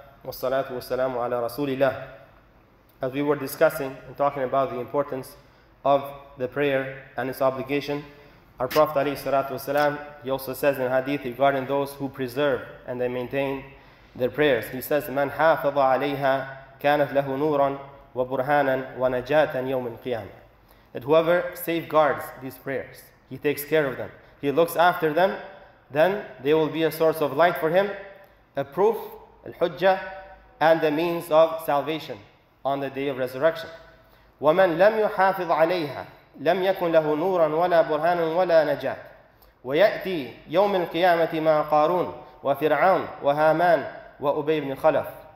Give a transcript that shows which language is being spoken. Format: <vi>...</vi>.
<ar>والصلاة والسلام على رسول الله.</ar> <en>As we were discussing and talking about the importance of the prayer and its obligation, our Prophet</en> <ar>عليه الصلاة والسلام,</ar> <en>he also says in hadith regarding those who preserve and they maintain their prayers. He says,</en> <ar>من حافظ عليها كانت له نورا وبرهانا ونجاة يوم القيامة.</ar> <en>That whoever safeguards these prayers, he takes care of them, he looks after them, then they will be a source of light for him, a proof, al-hujjah, and the means of salvation on the day of resurrection.</en> <ar>وَمَنْ لَمْ يُحَافِظْ عَلَيْهَا لَمْ يَكُنْ لَهُ نُورًا وَلَا بُرْهَانٌ وَلَا نَجَاةٌ وَيَأْتِي يَوْمِ الْقِيَامَةِ مَا قَارُونَ وَفِرْعَوْنَ وَهَامَانَ وَأُبَيْ بْنِ خَلَفٍ.</ar>